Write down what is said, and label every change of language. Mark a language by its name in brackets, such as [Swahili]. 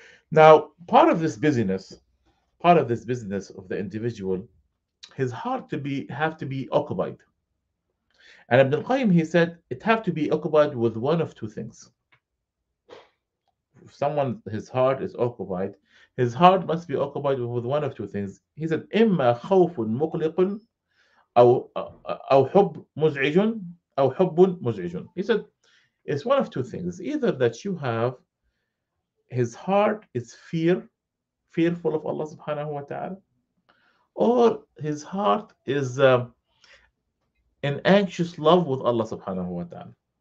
[English] Now, part of this busyness of the individual, his heart have to be occupied. And Ibn al-Qayyim, he said, it have to be occupied with one of two things. If someone, his heart is occupied, his heart must be occupied with one of two things. [Arabic] He said, إِمَّا خَوْفٌ مُقْلِقٌ أَوْ حُبٌ مُزْعِجٌ أَوْ حُبٌ مُزْعِجٌ. [English] He said, it's one of two things. Either that you have, his heart is fearful of Allah subhanahu wa ta'ala, or his heart is in anxious love with Allah subhanahu wa ta'ala.